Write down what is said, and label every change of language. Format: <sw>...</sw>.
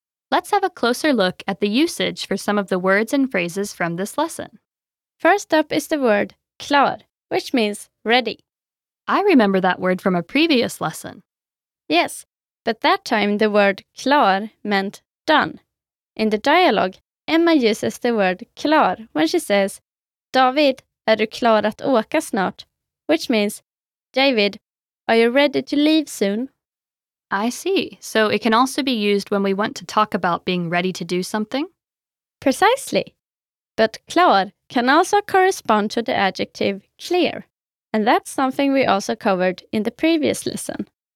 <en>Let's have a closer look at the usage for some of the words and phrases from this lesson. First up is the word klar, which means ready. I remember that word from a previous lesson. Yes, but that time the word klar meant done. In the dialogue, Emma uses the word klar when she says,</en> <sv>David, är du klar att åka snart?</sv> <en>Which means, David, are you ready to leave soon? I see. So it can also be used when we want to talk about being ready to do something? Precisely. But klar can also correspond to the adjective clear. And that's something we also covered in the previous lesson.</en>